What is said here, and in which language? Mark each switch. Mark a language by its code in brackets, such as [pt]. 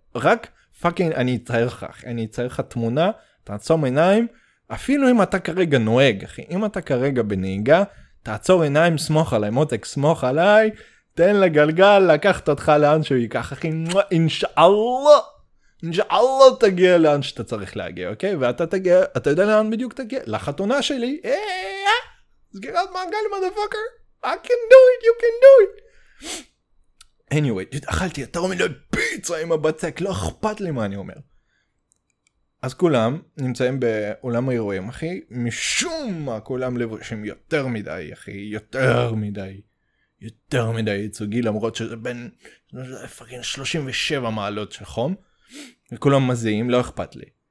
[he] רק פאקינג, אני אצייר לך. אני אצייר לך תמונה, תעצום עיניים, אפילו אם אתה כרגע נוהג, אחי, אם אתה כרגע בנהיגה, תעצור עיניים, סמוך עליי, מותק, סמוך עליי, תן לגלגל לקחת אותך לאן שהוא ייקח, אחי, אינשאללה, אינשאללה תגיע לאן שאתה צריך להגיע, אוקיי? ואתה תגיע, אתה יודע לאן בדיוק תגיע? לחתונה שלי, סגירת מעגל, מדפוקר, [en] I can do it, you can do it. [he] Anyway, דוד, אכלתי יותר מדי פיצה עם הבצק, לא אכפת לי מה אני אומר. אז כולם נמצאים באולם האירועים, אחי, משום מה כולם לבושים יותר מדי, אחי, יותר מדי, יותר מדי ייצוגי, למרות שזה בין 37 מעלות של חום, וכולם מזיעים, לא אכפת לי.